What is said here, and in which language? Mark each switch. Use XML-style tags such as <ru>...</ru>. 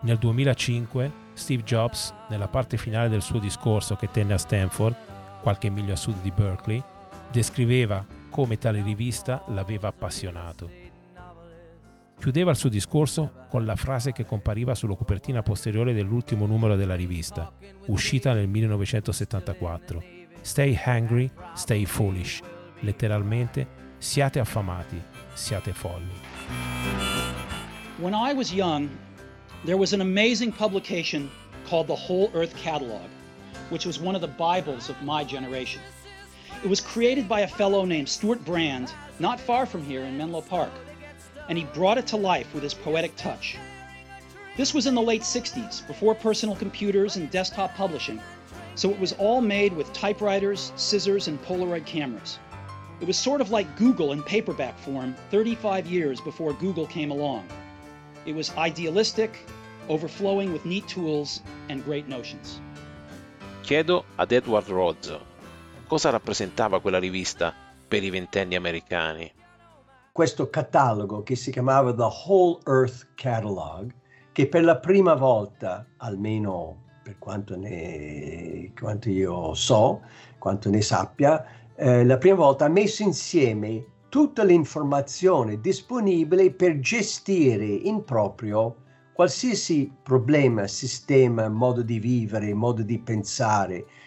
<it>Nel 2005, Steve Jobs, nella parte finale del suo discorso che tenne a Stanford, qualche miglio a sud di Berkeley, descriveva come tale rivista l'aveva appassionato. Chiudeva il suo discorso con la frase che compariva sulla copertina posteriore dell'ultimo numero della rivista, uscita nel 1974.</it> <en>Stay hungry, stay foolish.</en> <it>Letteralmente, siate affamati, siate folli.</it> <en>When I was young, there was an amazing publication called the Whole Earth Catalog, which was one of the Bibles of my generation. It was created by a fellow named Stuart Brand, not far from here in Menlo Park, and he brought it to life with his poetic touch. This was in the late 60s, before personal computers and desktop publishing, so it was all made with typewriters, scissors, and Polaroid cameras. It was sort of like Google in paperback form 35 years before Google came along. It was idealistic, overflowing with neat tools and great notions.</en> <it>Chiedo ad Edward Rozzo cosa rappresentava quella rivista per i ventenni americani. Questo catalogo che si chiamava The Whole Earth Catalog, che per la prima volta, almeno per quanto io so, quanto ne sappia, la prima volta ha messo insieme tutta l'informazione disponibile per gestire in proprio qualsiasi problema, sistema, modo di vivere, modo di pensare.</it>